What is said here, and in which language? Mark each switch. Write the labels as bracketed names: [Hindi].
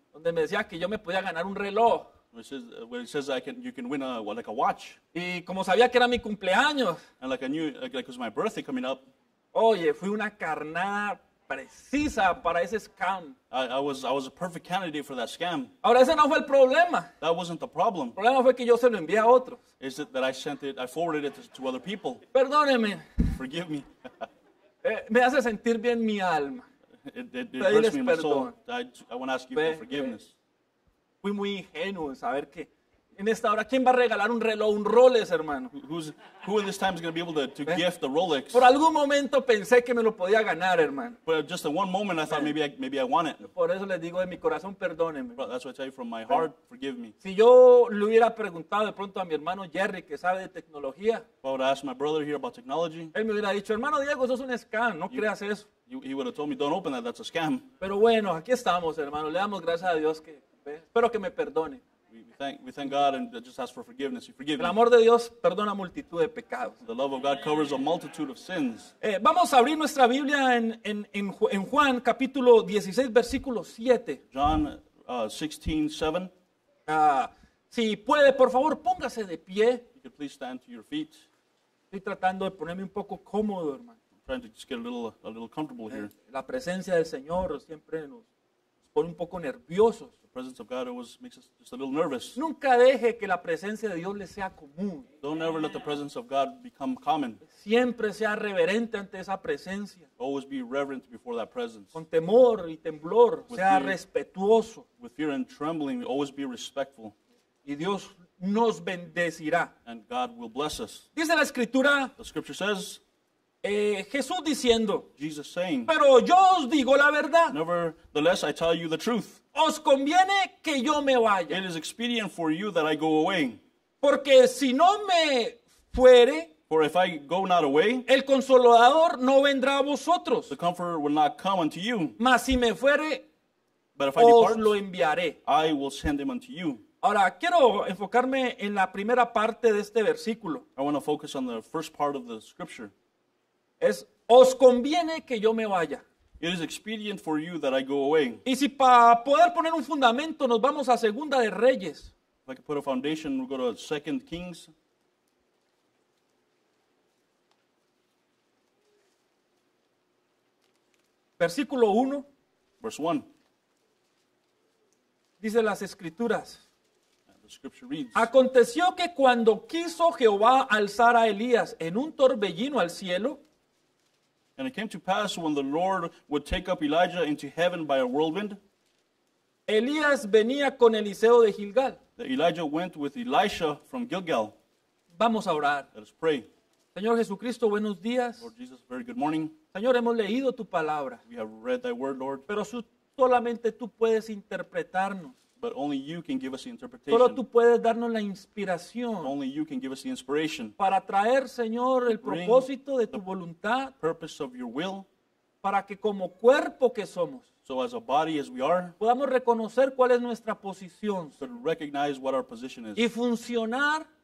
[Spanish] Donde me decía que yo me podía ganar un reloj. [English] Where it says you can win a watch. [Spanish] Y como sabía que era mi cumpleaños. [English] And like I knew, like it was my birthday coming up. [Spanish] Oye, fui una carnada precisa para ese scam. [English] I was a perfect candidate for that scam. [Spanish] Ahora ese no fue el problema. [English] That wasn't the problem. [Spanish] El problema fue que yo se lo envié a otros. [English] Is it that I sent it, I forwarded it to other people. [Spanish] Perdóneme. [English] Forgive me. [Spanish] me hace sentir bien mi alma. [English] It hurts me in my soul. I want to ask you for forgiveness. [Spanish] Fui muy ingenuo en saber que en esta hora, ¿quién va a regalar un reloj, un Rolex, hermano? [English] Who in this time is going to be able to gift the Rolex? [Spanish] Por algún momento pensé que me lo podía ganar, hermano. [English] But just in one moment, I thought maybe I want it. [Spanish] Por eso les digo de mi corazón, perdónenme. [English] But that's what I tell you from my heart, forgive me. [Spanish] Si yo le hubiera preguntado de pronto a mi hermano Jerry, que sabe de tecnología. [English] If I would ask my brother here about technology. [Spanish] Él me hubiera dicho, hermano Diego, eso es un scam, no creas eso. [English] He would have told me, don't open that, that's a scam. [Spanish] Pero bueno, aquí estamos, hermano. Le damos gracias a Dios que, espero que me perdone. [English] We thank God and just ask for forgiveness. You forgive me. [Spanish] El amor de Dios perdona multitud de pecados. [English] The love of God covers a multitude of sins. [Spanish] Vamos a abrir nuestra Biblia en Juan capítulo 16 versículo 7. [English] John 16:7. [Spanish] Si puede, por favor, póngase de pie. [English] You can please stand to your feet. [Spanish] Estoy tratando de ponerme un poco cómodo, hermano. [English] I'm trying to just get a little comfortable here. [Spanish] La presencia del Señor siempre nos pone un poco nerviosos. [English] The presence of God always makes us just a little nervous. [Spanish] Nunca deje que la presencia de Dios le sea común. [English] Don't ever let the presence of God become common. [Spanish] Siempre sea reverente ante esa presencia. [English] Always be reverent before that presence. [Spanish] Con temor y temblor, sea respetuoso. [English] With fear and trembling, always be respectful. [Spanish] Y Dios nos bendecirá. [English] And God will bless us. [Spanish] Dice la escritura. [English] The scripture says. [Spanish] Jesús diciendo. [English] Jesus saying. [Spanish] Pero yo os digo la verdad. [English] Nevertheless, I tell you the truth. [Spanish] Os conviene que yo me vaya. [English] It is expedient for you that I go away. [Spanish] Porque si no me fuere, [English] for if I go not away, [Spanish] el consolador no vendrá a vosotros. [English] The comforter will not come unto you. [Spanish] Mas si me fuere, [English] but if [Spanish] os [English] I depart, [Spanish] lo enviaré. [English] I will send him unto you. [Spanish] Ahora quiero enfocarme en la primera parte de este versículo. [English] I want to focus on the first part of the scripture. [Spanish] Es os conviene que yo me vaya. [English] It is expedient for you that I go away. [Spanish] Y si para poder poner un fundamento nos vamos a Segunda de Reyes. [English] If I could put a foundation, we'll go to 2 Kings. [Spanish] Versículo 1. [English] Verse 1. [Spanish] Dice las Escrituras. [English] The scripture reads. [Spanish] Aconteció que cuando quiso Jehová alzar a Elías en un torbellino al cielo. [English] And it came to pass when the Lord would take up Elijah into heaven by a whirlwind. [Spanish] Elías venía con Eliseo de Gilgal. [English] That Elijah went with Elisha from Gilgal. [Spanish] Vamos a orar. [English] Let us pray. [Spanish] Señor Jesucristo, buenos días. [English] Lord Jesus, very good morning. [Spanish] Señor, hemos leído tu palabra. [English] We have read thy word, Lord. [Spanish] Pero solamente tú puedes interpretarnos. [English] But only you can give us the interpretation. [Spanish] Solo tú puedes darnos la inspiración. [English] Only you can give us the inspiration. [Spanish] Para traer, Señor, el propósito de tu voluntad. [English] Purpose of your will. [Spanish] Para que como cuerpo que somos. [English] So as a body as we are. [Spanish] Podamos reconocer cuál es nuestra posición. [English] To recognize what our position is. [Spanish] Y funcionar.